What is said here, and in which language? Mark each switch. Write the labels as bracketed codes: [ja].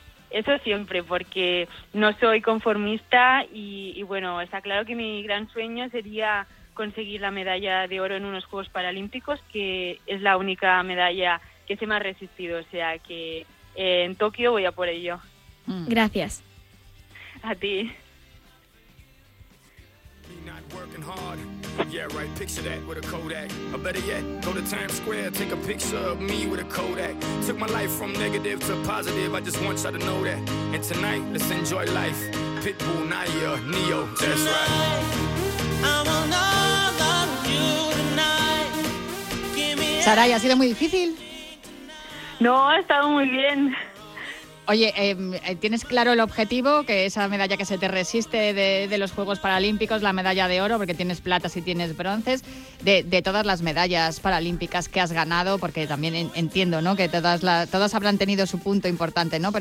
[es] Eso siempre, porque no soy conformista y bueno, está claro que mi gran sueño sería conseguir la medalla de oro en unos Juegos Paralímpicos, que es la única medalla que se me ha resistido. O sea que en Tokio voy a por ello. Gracias. A ti. [en] Not working hard, yeah right, picture that with a Kodak, or better yet, go to Times Square, take a picture of me with a Kodak, took my life from negative to positive, I just want y'all to know that, and tonight, let's enjoy life, Pitbull, Naya, Neo, that's tonight, right. I'm on all of you tonight. [es] Saray, ¿ha sido muy difícil? No, ha estado muy bien. Oye, ¿tienes claro el objetivo, que esa medalla que se te resiste de los Juegos Paralímpicos, la medalla de oro, porque tienes plata y tienes bronces, de todas las medallas paralímpicas que has ganado, porque también entiendo, ¿no?, que todas habrán tenido su punto importante, ¿no?